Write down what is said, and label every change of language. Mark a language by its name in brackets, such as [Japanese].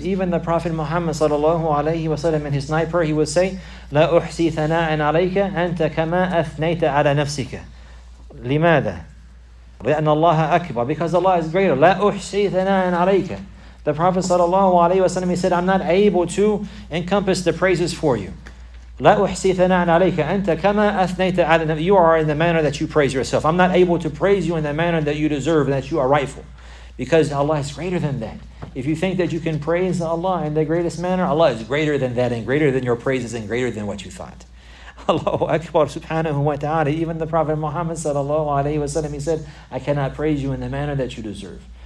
[English] Even the Prophet Muhammad sallallahu alayhi wa sallam in his night prayer, he would say, [Arabic] لا أحصي ثناء عليك أنت كما أثنيت على نفسك. لماذا؟ لأن الله أكبر. [English] Because Allah is greater. [Arabic] لا أحصي ثناء عليك. [English] The Prophet sallallahu alayhi wa sallam, he said, I'm not able to encompass the praises for you. [Arabic] لا أحصي ثناء عليك أنت كما أثنيت على نفسك. [English] You are in the manner that you praise yourself. I'm not able to praise you in the manner that you deserve, that you are rightful. Because Allah is greater than that. If you think that you can praise Allah in the greatest manner, Allah is greater than that and greater than your praises and greater than what you thought. Allahu Akbar subhanahu wa ta'ala. Even the Prophet Muhammad sallallahu alayhi wa sallam, he said, I cannot praise you in the manner that you deserve.